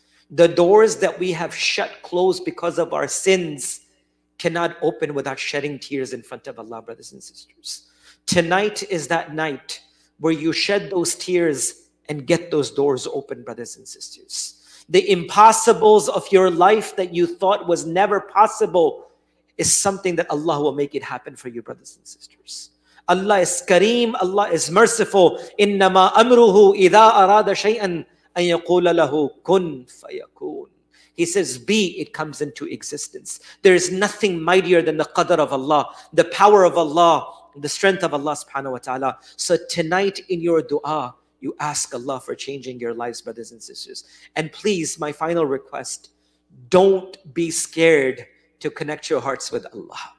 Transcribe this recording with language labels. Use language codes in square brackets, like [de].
[en] The doors that we have shut closed because of our sins cannot open without shedding tears in front of Allah, brothers and sisters. Tonight is that night where you shed those tears and get those doors open, brothers and sisters. The impossibles of your life that you thought was never possible is something that Allah will make it happen for you, brothers and sisters. Allah is Kareem, Allah is merciful. [ar] إِنَّمَا أَمْرُهُ إِذَا أَرَادَ شَيْئًا أَن يَقُولَ لَهُ كُنْ فَيَكُونَ. [en] He says, be, it comes into existence. There is nothing mightier than the qadr of Allah, the power of Allah, the strength of Allah [ar] subhanahu wa ta'ala. [en] So tonight in your dua, you ask Allah for changing your lives, brothers and sisters. And please, my final request, don't be scared to connect your hearts with Allah.